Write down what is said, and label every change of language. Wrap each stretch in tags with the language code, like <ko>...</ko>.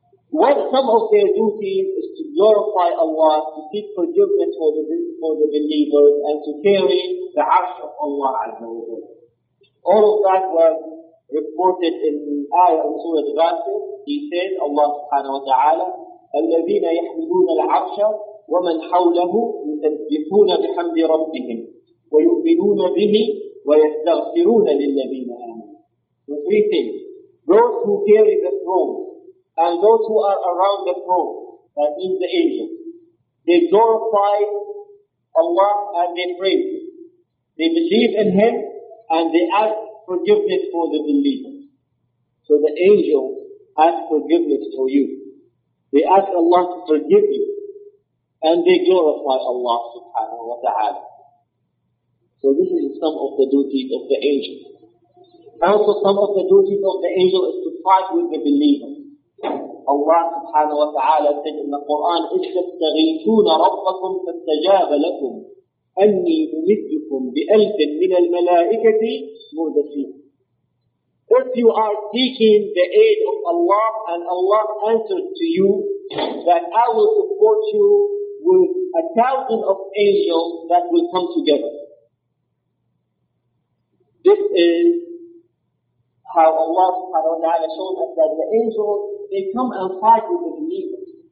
<en>One, some of their duties is to glorify Allah, to seek forgiveness for the believers, and to carry the arsh of Allah Azza wa Jalla. All of that was reported in the ayah of Surah Ghafir. He said, Allah subhanahu wa ta'ala,</en> <ar>الَّذِينَ يَحْمِلُونَ الْعَرْشَ وَمَنْ حَوْلَهُ يُسَبِّحُونَ بِحَمْدِ رَبِّهِمْ وَيُؤْمِنُونَ بِهِ وَيَسْتَغْفِرُونَ لِلَّذِينَ آمَنُوا.</ar> <en>So three things. Those who carry the throne and those who are around the throne, that means the angels, they glorify Allah and they praise Him. They believe in Him and they ask forgiveness for the believers. So the angels ask forgiveness for you. They ask Allah to forgive you. And they glorify Allah subhanahu wa ta'ala. So this is some of the duties of the angel. Also some of the duties of the angel is to fight with the believers. Allah subhanahu wa ta'ala said in the Quran,</en> <ar>اِسْتَغِيْتُونَ رَبَّكُمْ فَاسْتَجَابَ لَكُمْ أَنِّي مُمِدُّكُمْ بِأَلْفٍ مِنَ الْمَلَائِكَةِ مُرْدَفِينَ.</ar> <en>If you are seeking the aid of Allah and Allah answered to you that I will support you with a thousand of angels that will come together. This is how Allah subhanahu wa ta'ala showed us that the angels, they come and fight with the believers.</en>